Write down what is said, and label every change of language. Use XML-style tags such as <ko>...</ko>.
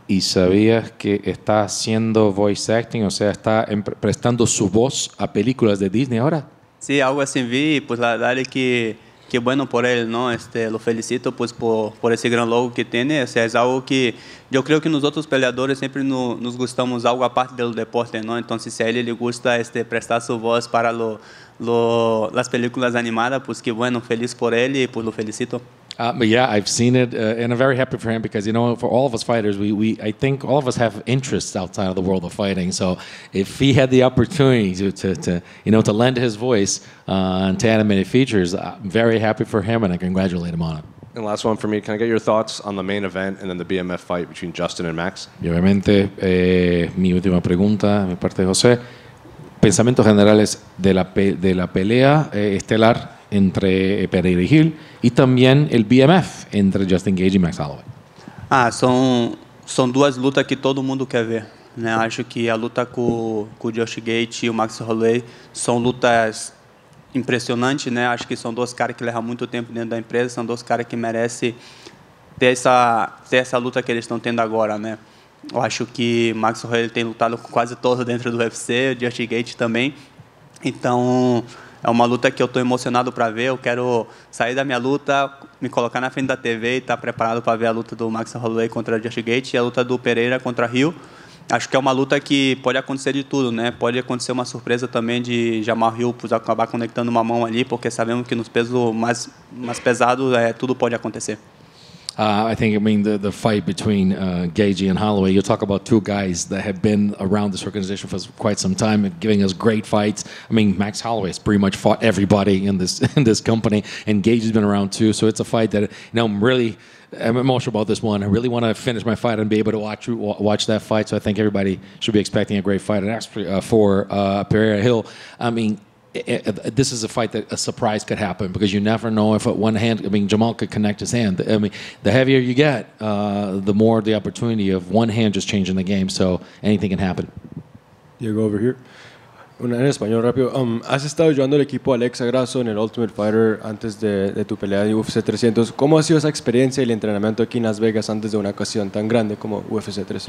<es>Y sabía que está haciendo voice acting, o sea, está prestando su voz a películas de Disney ahora. Sí, algo así vi, pues la verdad es que... Que bueno por él, ¿no? Lo felicito pues por ese gran logo que tiene. Es algo que yo creo que nosotros peleadores siempre nos gustamos algo aparte del deporte, ¿no? Entonces, si a él le gusta prestar su voz para las películas animadas, pues que bueno, feliz por él y pues lo felicito.</es> <en>Yeah, I've seen it, and I'm very happy for him because, you know, for all of us fighters, I think all of us have interests outside of the world of fighting. So if he had the opportunity to lend his voice to animated features, I'm very happy for him, and I congratulate him on it. And last one for me, can I get your thoughts on the main event and then the BMF fight between Justin and Max?</en> <es>Y obviamente, mi última pregunta, mi parte de José. Pensamientos generales de la pelea estelar entre Pereira y Gil y también el BMF entre Justin Gage y Max Holloway.</es> <pt>Ah, son duas lutas que todo mundo quer ver. Né? Acho que a luta com o Justin Gage e o Max Holloway são lutas impressionantes. Né? Acho que são dois caras que levam muito tempo dentro da empresa, são dois caras que merecem ter essa luta que eles estão tendo agora. Né? Eu acho que o Max Holloway tem lutado com quase todos dentro do UFC, o Justin Gage também. Então, é uma luta que eu estou emocionado para ver. Eu quero sair da minha luta, me colocar na frente da TV e estar preparado para ver a luta do Max Holloway contra o Justin Gage e a luta do Pereira contra o Rio. Acho que é uma luta que pode acontecer de tudo, né? Pode acontecer uma surpresa também de Jamal Hill acabar conectando uma mão ali, porque sabemos que nos pesos mais pesados tudo pode acontecer.</pt> <en>I think, I mean, the fight between Gagey and Holloway, you talk about two guys that have been around this organization for quite some time, giving us great fights. I mean, Max Holloway has pretty much fought everybody in this company, and Gagey's been around too. So it's a fight that, you know, I'm emotional about this one. I really want to finish my fight and be able to watch that fight. So I think everybody should be expecting a great fight. And for Pereira Hill, I mean, this is a fight that a surprise could happen because you never know if one hand, I mean, Jamal could connect his hand. I mean, the heavier you get, the more the opportunity of one hand just changing the game. So anything can happen. Diego, over here.</en> <es>En español, rápido. Has estado ayudando al equipo Alexa Grasso en el Ultimate Fighter antes de tu pelea de UFC 300. ¿Cómo ha sido esa experiencia y el entrenamiento aquí en Las Vegas antes de una ocasión tan grande como UFC 300?</es>